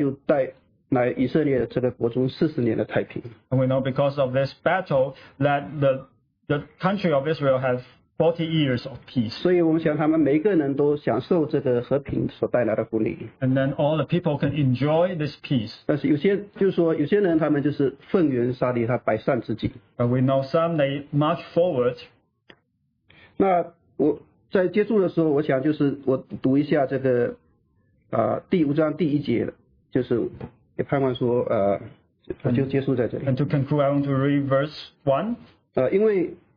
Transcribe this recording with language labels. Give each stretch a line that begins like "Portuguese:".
Chinese: 那我们看见说,后来因着他这个得胜的话,他就带来以色列这个国中40年的太平。
English: And we know because of this battle that the country of Israel has 40 years of peace. And then all the people can enjoy this peace.
Chinese: 但是有些人他们就是奉缘杀敌，他百善之计。
English: But we know some, they march forward.
Chinese: 那我在结束的时候，我想就是我读一下这个第五章第一节，就是也盼望说，就结束在这里。
English: And to conclude, I want to read verse 1.